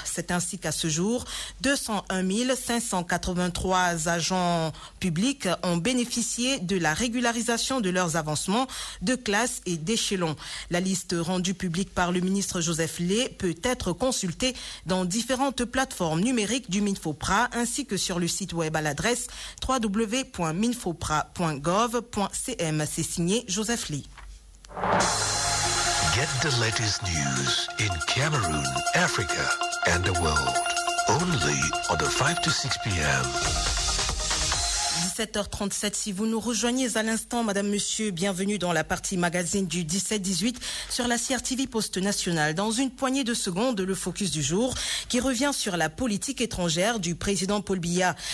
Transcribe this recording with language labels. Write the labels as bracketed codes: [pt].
[fr] C'est ainsi qu'à ce jour, 201 583 agents publics ont bénéficié de la régularisation de leurs avancements de classe et d'échelon. La liste rendue publique par le ministre Joseph Lay peut être consultée dans différentes plateformes numériques du Minfopra ainsi que sur le site web à l'adresse www.minfopra.gov.cm. C'est signé Joseph Lee. [en] Get the latest news in Cameroon, Africa and the world only on the 5 to 6 p.m. [fr] 17h37, si vous nous rejoignez à l'instant, madame, monsieur, bienvenue dans la partie magazine du 17-18 sur la CRTV Poste National. Dans une poignée de secondes, le focus du jour qui revient sur la politique étrangère du président Paul Biya.